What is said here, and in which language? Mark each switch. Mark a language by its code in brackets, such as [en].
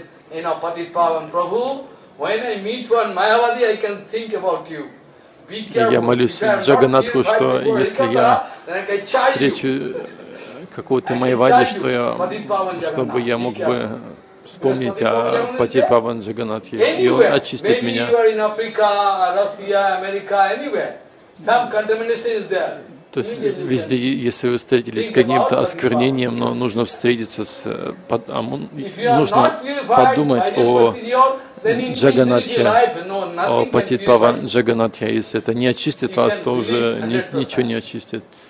[en] In a patit pavan, Prabhu, when I meet one Mayavadi, I can think about you. Be careful. [ru] Я молюсь Джаганатху, что если я встречу какого-то Майавади, что я, чтобы я мог бы вспомнить о патит паван Джаганатхе и очистить меня. [en] Maybe you are in Africa, Russia, America, anywhere. Some contamination is there. [ru] То есть везде, если вы встретились с каким-то осквернением, но нужно встретиться с нужно подумать о Джаганатхе, о Патитпава Джаганатхе. Если это не очистит вас, то уже ничего не очистит.